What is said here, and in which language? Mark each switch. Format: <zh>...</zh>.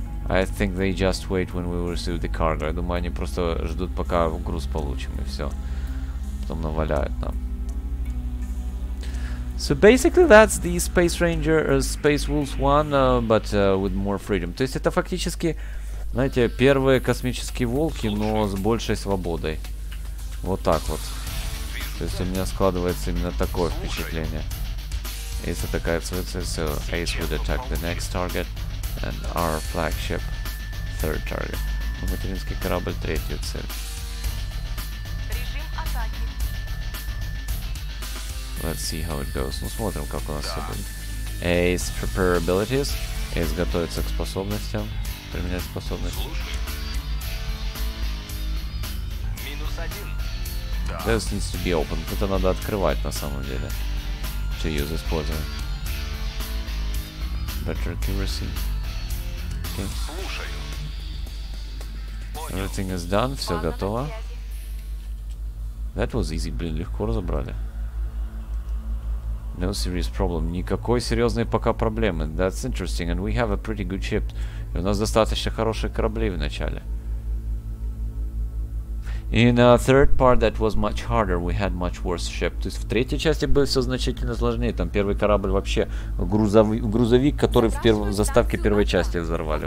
<en>I think they just wait when we receive the cargo.</en> <ru>Я думаю, они просто ждут, пока груз получим, и все. Потом наваляют нам.</ru> <en>So basically that's the Space Ranger, Space Wolves 1, but with more freedom.</en> <ru>То есть это фактически, знаете, первые космические волки, но с большей свободой. Вот так вот. То есть у меня складывается именно такое впечатление.</ru> <en>Ace attacks with us, so Ace would attack the next target, and our flagship, third target.</en> <ru>Материнский корабль, третью цель. Режим атаки.</ru> <en>Let's see how it goes.</en> <ru>Ну, смотрим, как у нас все будет.</ru> <en>Ace prepare abilities.</en> <ru>изготовиться к способностям, применять способности. Минус один.</ru> <en>Да. This needs to be open.</en> <ru>Это надо открывать на самом деле.</ru> <en>To use</en> <ru>использовать.</ru> <en>Better accuracy. Okay.</en> <ru>Слушаю.</ru> <en>Everything is done,</en> <ru>все готово.</ru> <en>That was easy,</en> <ru>блин, легко разобрали.</ru> <en>No serious problem.</en> <ru>Никакой серьезной пока проблемы.</ru> <en>That's interesting, and we have a pretty good ship.</en> <ru>И у нас достаточно хорошие корабли в начале.</ru> <en>In a third part that was much harder, we had much worse ship.</en> <ru>То есть в третьей части было все значительно сложнее. Там первый корабль вообще грузовик, который в заставке первой части взорвали.</ru>